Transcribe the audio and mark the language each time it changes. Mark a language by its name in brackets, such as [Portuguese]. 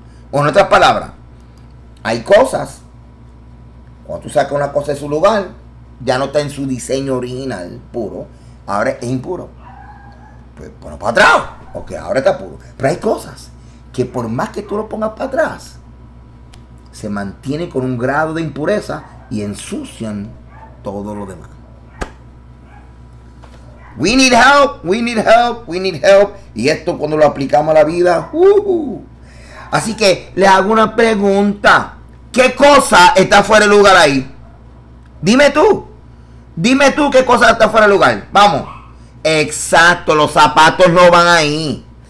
[Spanish] O en otras palabras, hay cosas, cuando tú sacas una cosa de su lugar, ya no está en su diseño original puro, ahora es impuro. Pues ponlo para atrás, porque ahora está puro. Pero hay cosas que por más que tú lo pongas para atrás, se mantiene con un grado de impureza y ensucian todo lo demás. [English] We need help, we need help, we need help. [Spanish] Y esto cuando lo aplicamos a la vida. Así que les hago una pregunta. ¿Qué cosa está fuera de lugar ahí? Dime tú. Dime tú qué cosa está fuera de lugar. Vamos. Exacto, los zapatos no van ahí.